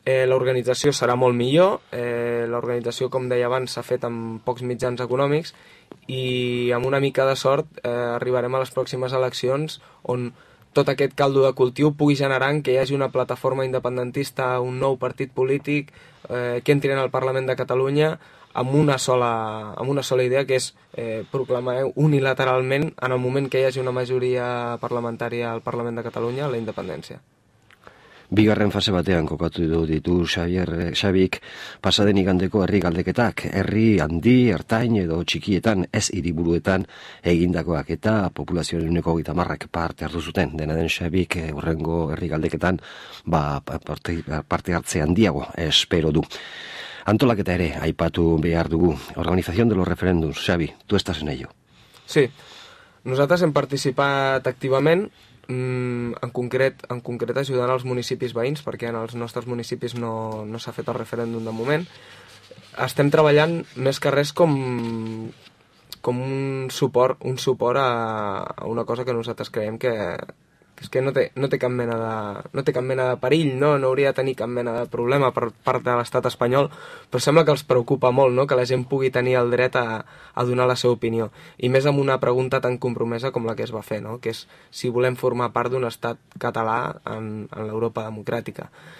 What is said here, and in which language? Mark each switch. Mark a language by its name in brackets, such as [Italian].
[Catalan] L'organització serà molt millor. L'organització, com deia abans, s'ha fet amb pocs mitjans econòmics i amb una mica de sort arribarem a les pròximes eleccions on tot aquest caldo de cultiu pugui generar que hi hagi una plataforma independentista, un nou partit polític, que entri en el Parlament de Catalunya amb una sola idea, que és proclamar unilateralment, en el moment que hi hagi una majoria parlamentària al Parlament de Catalunya, la independència. [Basque] Bigarren fase batean kokatu ditu Xabik pasaden igandeko herri galdeketak, herri handi, ertain edo txikietan, ez hiriburuetan egindakoak, eta populazioaren 30%ak parte hartu zuten. Dena den, Xabik hurrengo herri galdeketan parte hartze handiago espero du. Antolaketa ere aipatu behar dugu. [Spanish] Organización de los referendums, Xabi, tu estás en ello. [Catalan] Sí, nosaltres hem participat activament, en concret ajudant els municipis veïns, perquè en els nostres municipis no s'ha fet el referèndum de moment. Estem treballant més que res com un suport a una cosa que nosaltres creiem que no té cap mena de perill, no hauria de tenir cap mena de problema per part de l'estat espanyol, però sembla que els preocupa molt, no?, que la gent pugui tenir el dret a donar la seva opinió, i més amb una pregunta tan compromesa com la que es va fer, no?, que és si volem formar part d'un estat català en l'Europa democràtica.